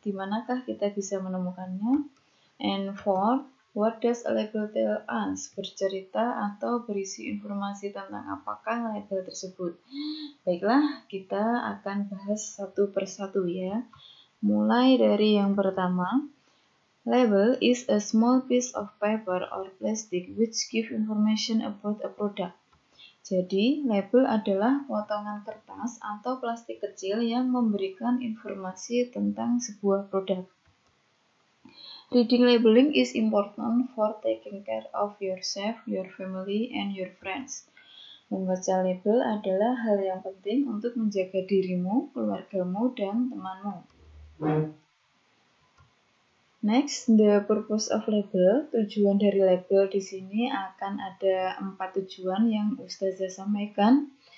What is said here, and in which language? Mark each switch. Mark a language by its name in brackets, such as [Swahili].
[Indonesian] Di manakah kita bisa menemukannya? [English] And fourth, what does a label tell us? [Indonesian] Bercerita atau berisi informasi tentang apakah label tersebut? Baiklah, kita akan bahas satu per satu ya. Mulai dari yang pertama. [English] Label is a small piece of paper or plastic which give information about a product. [Indonesian] Jadi, label adalah potongan kertas atau plastik kecil yang memberikan informasi tentang sebuah produk. [English] Reading labeling is important for taking care of yourself, your family, and your friends. [Indonesian] Membaca label adalah hal yang penting untuk menjaga dirimu, keluargamu, dan temanmu. [English] Next, the purpose of label. [Indonesian] Tujuan dari label di sini akan ada 4 tujuan yang Ustazah sampaikan.